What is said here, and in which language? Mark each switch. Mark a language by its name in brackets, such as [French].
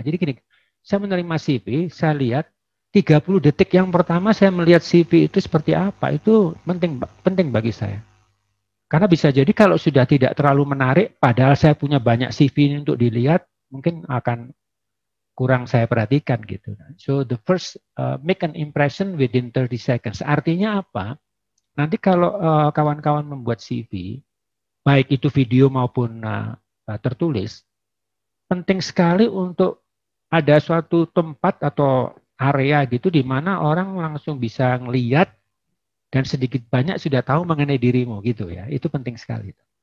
[Indonesian] Jadi gini, saya menerima CV, saya lihat 30 detik yang pertama saya melihat CV itu seperti apa, itu penting penting bagi saya. Karena bisa jadi kalau sudah tidak terlalu menarik, padahal saya punya banyak CV ini untuk dilihat, mungkin akan kurang saya perhatikan gitu. [English] So the first make an impression within 30 seconds. [Indonesian] Artinya apa? Nanti kalau kawan-kawan membuat CV, baik itu video maupun tertulis, penting sekali untuk ada suatu tempat atau area gitu di mana orang langsung bisa ngelihat dan sedikit banyak sudah tahu mengenai dirimu gitu ya. Itu penting sekali.